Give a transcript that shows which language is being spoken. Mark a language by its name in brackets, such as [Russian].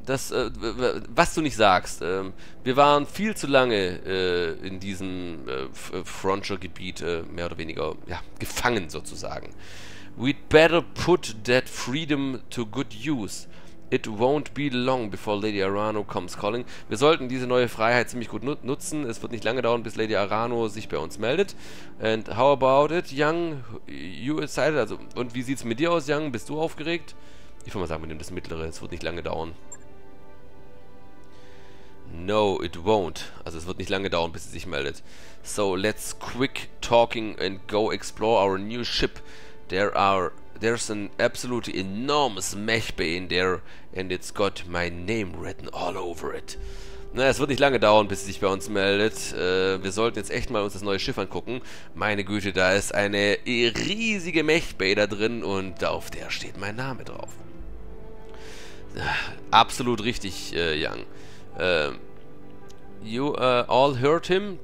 [German] Was du nicht sagst, wir waren viel zu lange in diesem Frontier-Gebiet mehr oder weniger gefangen sozusagen. [English] We'd better put that freedom to good use. It won't be long before Lady Arano comes calling. [German] Wir sollten diese neue Freiheit ziemlich gut nutzen. Es wird nicht lange dauern, bis Lady Arano sich bei uns meldet. [English] And how about it, Young? You excited? [German] Also, und wie sieht's mit dir aus, Young? Bist du aufgeregt? Ich würde mal sagen, wir nehmen das Mittlere. Es wird nicht lange dauern. [English] No, it won't. [German] Also es wird nicht lange dauern, bis sie sich meldet. [English] So, let's quick talking and go explore our new ship. There's an absolutely enormous mech bay in there and it's got my name written all over it. [German] Naja, es wird nicht lange dauern, bis sie sich bei uns meldet. Wir sollten jetzt echt mal uns das neue Schiff angucken. Meine Güte, da ist eine riesige mech bay da drin und auf der steht mein Name drauf. Absolut richtig, [English] Young. You all heard him?